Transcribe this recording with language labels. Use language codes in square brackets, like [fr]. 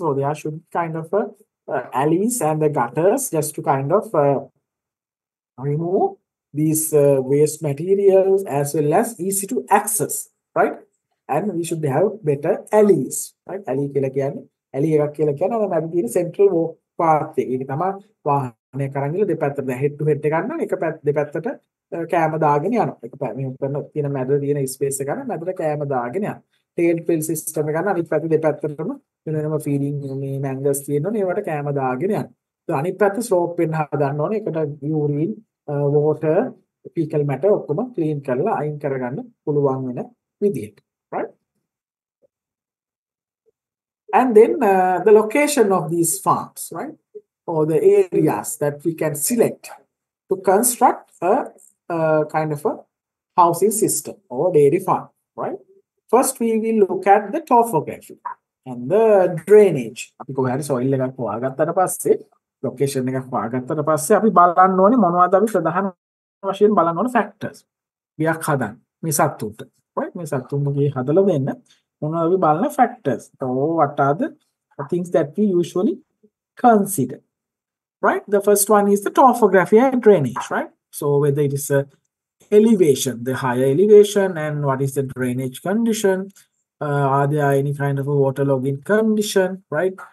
[en] So there should be kind of alleys and the gutters just to kind of remove these waste materials as well as easy to access, right? And we should have better alleys, right? [si] Alley කියලා කියන්නේ alley එකක් කියලා කියනවා නම් අපි කියන්නේ central walk path එක. ඒක තමයි වාහනය කරන් ගිහින් දෙපැත්තට head to head එක ගන්න එක දෙපැත්තට කෑම දාගෙන යනවා. ඒක මෙහෙම කරන තියෙන මැද තියෙන ස්පේස් එක ගන්න මැදට කෑම දාගෙන යනවා. ටේල් ෆිල් සිස්ටම් එක ගන්න අනිත් පැති දෙපැත්තටම වෙන වෙනම ෆීඩින් මේ මැංගස් තියෙනවනේ ඒවට කෑම දාගෙන යනවා. අනිත් පැත්ත ස්ලෝප් වෙන්න හදන්න ඕනේ. ඒකට යූරින්, වෝටර්, ෆීකල් මැටර් ඔක්කොම ක්ලීන් කරලා අයින් කරගන්න පුළුවන් වෙන විදිහට. [en] Right? And then the location of these farms, right? Or the areas that we can select to construct a kind of a housing system or dairy farm, right? First, we will look at the topography and the drainage. [si] අපි කොහරි soil එකක් හොයාගත්තට පස්සේ location එකක් හොයාගත්තට පස්සේ අපි බලන්න ඕනේ මොනවද අපි ප්‍රධාන වශයෙන් බලන්න ඕන factors. ගියක් හදන්න මේ සත්තුට, right? මේ සත්තුන්ගේ හදලා දෙන්න මොනවද අපි බලන factors. [en] So what are the things that we usually consider? Right, the first one is the topography and drainage, right? So whether it is a elevation, the higher elevation, and what is the drainage condition, are there any kind of a water logging condition, right?